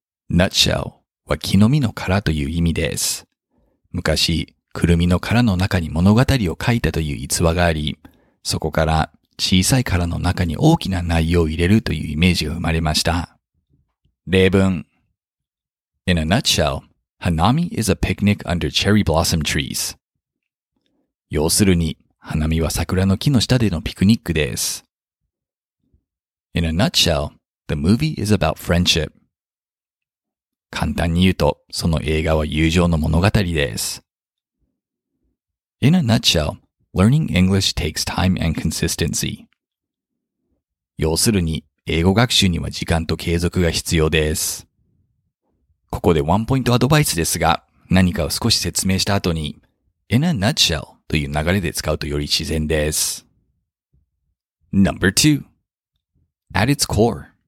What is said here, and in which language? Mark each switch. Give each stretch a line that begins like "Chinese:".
Japanese: Nutshell は木の実の殻という意味です。昔、くるみの殻の中に物語を書いたという逸話があり、そこから小さい殻の中に大きな内容を入れるというイメージが生まれました。例文。
English: In a nutshell, hanami is a picnic under cherry blossom trees.
Japanese: 要するに、花見は桜の木の下でのピクニックです。
English: In a nutshell, the movie is about friendship.
Japanese: 簡単に言うと、その映画は友情の物語です。
English: In a nutshell, learning English takes time and consistency.
Japanese: 要するに、英語学習には時間と継続が必要です。ここでワンポイントアドバイスですが、何かを少し説明した後に、In a nutshell という流れで使うとより自然です。
English: Number two. At its core.